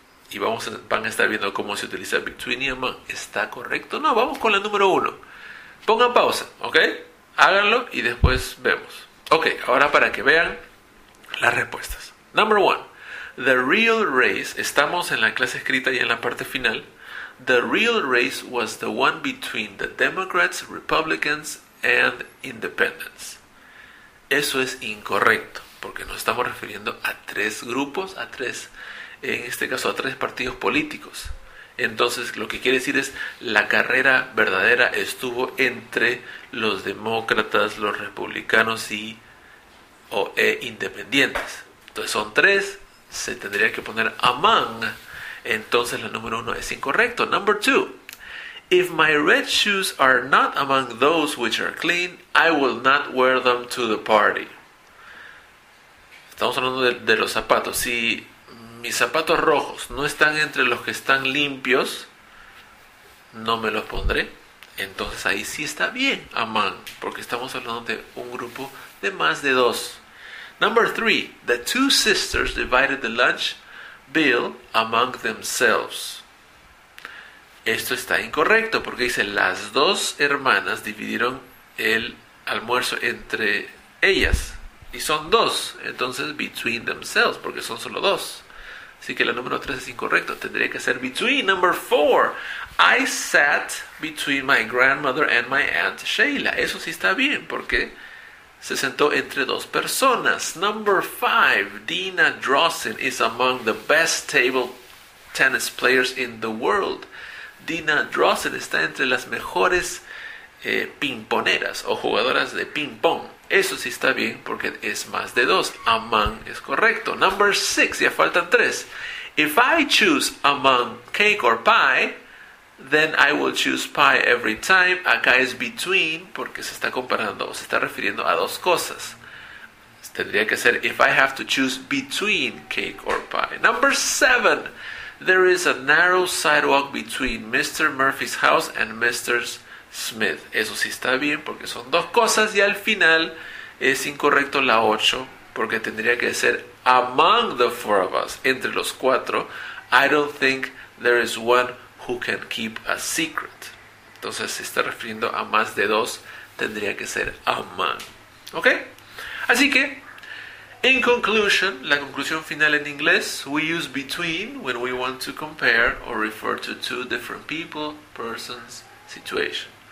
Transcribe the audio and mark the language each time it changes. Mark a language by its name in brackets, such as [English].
[Spanish] Y van a estar viendo cómo se utiliza between y among. ¿Está correcto? No, vamos con la número uno. Pongan pausa, ¿ok? Háganlo y después vemos. Ok, ahora para que vean las respuestas. [English] Number one. The real race. [Spanish] Estamos en la clase escrita y en la parte final. [English] The real race was the one between the Democrats, Republicans and Independents. [Spanish] Eso es incorrecto. Porque nos estamos refiriendo a tres grupos, a tres, en este caso a tres partidos políticos. Entonces lo que quiere decir es la carrera verdadera estuvo entre los demócratas, los republicanos y independientes. Entonces son tres, se tendría que poner among. Entonces la número uno es incorrecto. [English] Number two. If my red shoes are not among those which are clean, I will not wear them to the party. [Spanish] Estamos hablando de los zapatos. Si mis zapatos rojos no están entre los que están limpios, no me los pondré. Entonces ahí sí está bien, among, porque estamos hablando de un grupo de más de dos. [English] Number three, the two sisters divided the lunch bill among themselves. [Spanish] Esto está incorrecto porque dice las dos hermanas dividieron el almuerzo entre ellas. Y son dos. Entonces, [English] between themselves, [Spanish] porque son solo dos. Así que la número 3 es incorrecto. Tendría que ser between. [English] Number 4. I sat between my grandmother and my aunt Sheila. [Spanish] Eso sí está bien, porque se sentó entre dos personas. [English] Number 5. Dina Drossin is among the best table tennis players in the world. [Spanish] Dina Drossin está entre las mejores pingponeras o jugadoras de ping pong. Eso sí está bien porque es más de dos. Among es correcto. [English] Number 6, [Spanish] ya faltan 3. [English] If I choose among cake or pie, then I will choose pie every time. [Spanish] Acá es between porque se está comparando o se está refiriendo a dos cosas. Tendría que ser [English] if I have to choose between cake or pie. Number 7, there is a narrow sidewalk between Mr. Murphy's house and Mr. Smith. [Spanish] Eso sí está bien porque son dos cosas. Y al final es incorrecto la 8 porque tendría que ser [English] among the four of us, [Spanish] entre los cuatro. [English] I don't think there is one who can keep a secret. [Spanish] Entonces, si está refiriendo a más de dos, tendría que ser among. ¿Ok? Así que, [English] in conclusion, [Spanish] la conclusión final en inglés, [English] we use between when we want to compare or refer to two different people, persons, situation.